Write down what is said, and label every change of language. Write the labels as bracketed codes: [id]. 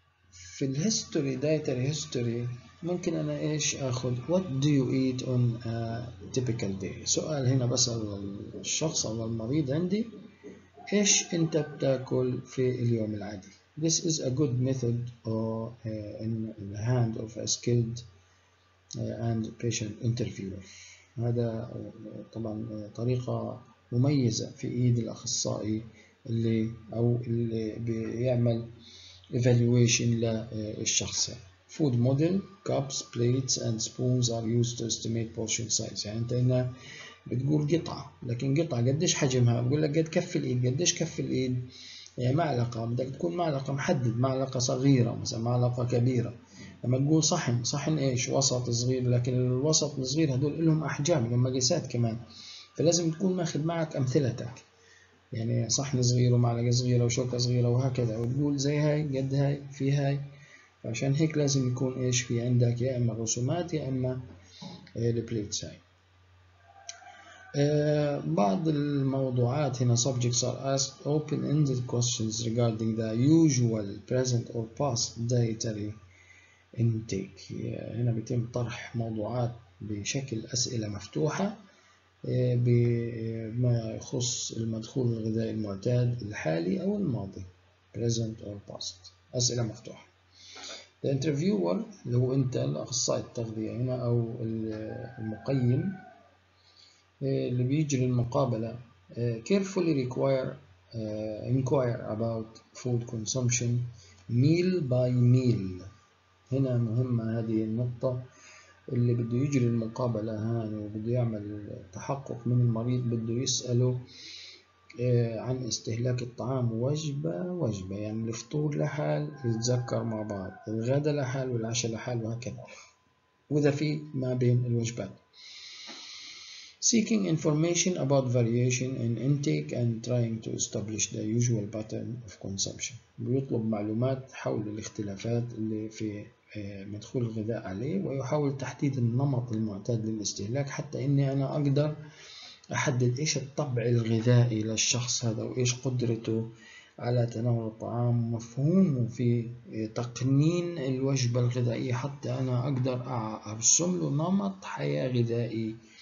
[ar] في الهيستوري دايتري هيستوري ممكن انا ايش اخذ [en] what do you eat on a typical day. [ar] سؤال هنا بسأل الشخص او المريض عندي ايش انت بتاكل في اليوم العادي. [en] This is a good method in the hand of a skilled and patient interviewer. [ar] هذا طبعا طريقة مميزة في إيد الأخصائي اللي أو اللي بيعمل evaluation للشخص. [en] Food model, cups, plates and spoons are used to estimate portion size. [ar] يعني أنت هنا بتقول قطعة، لكن قطعة قديش حجمها؟ بقول لك قد كف الإيد، قديش كف الإيد؟ يعني معلقة، بدك تكون معلقة محدد، معلقة صغيرة مثلا، معلقة كبيرة. لما تقول صحن، صحن إيش؟ وسط صغير، لكن الوسط الصغير هدول لهم أحجام، لهم مقاسات كمان، فلازم تكون ماخذ معك أمثلتك. يعني صحن صغير ومعلقة صغيرة وشوكة صغيرة وهكذا، وتقول زي هاي قد هاي في هاي. فعشان هيك لازم يكون ايش في عندك، يا اما الرسومات يا اما البليت سايد. بعض الموضوعات هنا [en] subjects are asked open-ended questions regarding the usual present or past dietary intake. [ar] هنا بيتم طرح موضوعات بشكل أسئلة مفتوحة بما يخص المدخول الغذائي المعتاد الحالي أو الماضي [en] present or past، [ar] أسئلة مفتوحة. [en] The interviewer [ar] اللي هو أنت الأخصائي التغذية هنا أو المقيم اللي بيجري المقابلة [en] carefully require inquire about food consumption meal by meal. [ar] هنا مهمة هذه النقطة، اللي بده يجري المقابلة هان وبده يعمل تحقق من المريض بده يسأله عن استهلاك الطعام وجبة وجبة، يعني الفطور لحال يتذكر مع بعض، الغداء لحال والعشاء لحال وهكذا، وإذا في ما بين الوجبات. [en] Seeking information about variation in intake and trying to establish the usual pattern of consumption. [ar] بيطلب معلومات حول الاختلافات اللي في مدخول الغذاء عليه، ويحاول تحديد النمط المعتاد للاستهلاك حتى إني أنا أقدر أحدد إيش الطبع الغذائي للشخص هذا وإيش قدرته على تناول الطعام، مفهومه في تقنين الوجبة الغذائية حتى أنا أقدر أرسم له نمط حياة غذائي